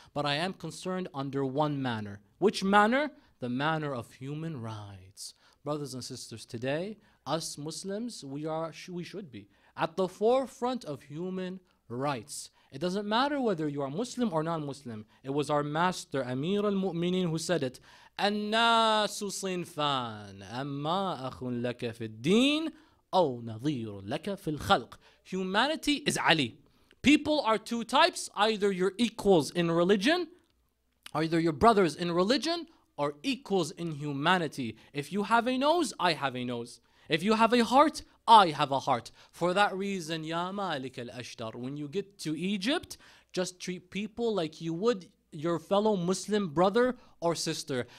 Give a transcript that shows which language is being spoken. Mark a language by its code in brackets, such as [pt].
[en] But I am concerned under one manner. Which manner? The manner of human rights. Brothers and sisters, today, us Muslims, we should be. At the forefront of human rights. It doesn't matter whether you are Muslim or non-Muslim. It was our master, Amir al-Mu'mineen, who said it. [ar] النَّاسُ صِنْفَانَ أَمَّا أَخٌ لَكَ فِي الدِّينَ أَوْ نَظِيرٌ لَكَ فِي الْخَلْقِ. [en] Humanity is Ali. People are two types. Either you're equals in religion, or either you're brothers in religion, or equals in humanity. If you have a nose, I have a nose. If you have a heart, I have a heart. For that reason, Ya Malik al-Ashtar, when you get to Egypt, just treat people like you would your fellow Muslim brother or sister.